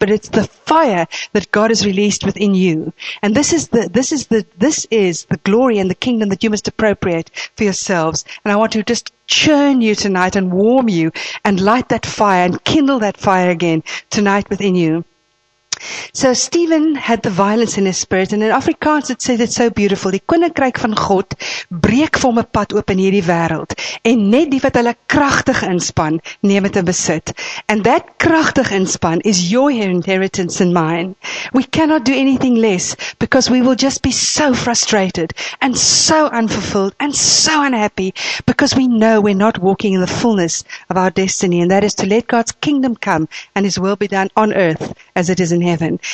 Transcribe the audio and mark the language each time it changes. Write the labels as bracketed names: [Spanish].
[English] But it's the fire that God has released within you. And this is the glory and the kingdom that you must appropriate for yourselves. And I want to just churn you tonight and warm you and light that fire and kindle that fire again tonight within you. So Stephen had the violence in his spirit, and in Afrikaans it says it so beautiful. [Afrikaans] Die koninkryk van God breek vir hom 'n pad oop in hierdie wêreld, en net die wat hulle kragtig inspan, neem dit in besit. [English] And that [Afrikaans] kragtig inspan [English] is your inheritance and mine. We cannot do anything less, because we will just be so frustrated and so unfulfilled and so unhappy, because we know we're not walking in the fullness of our destiny, and that is to let God's kingdom come and his will be done on earth as it is in heaven.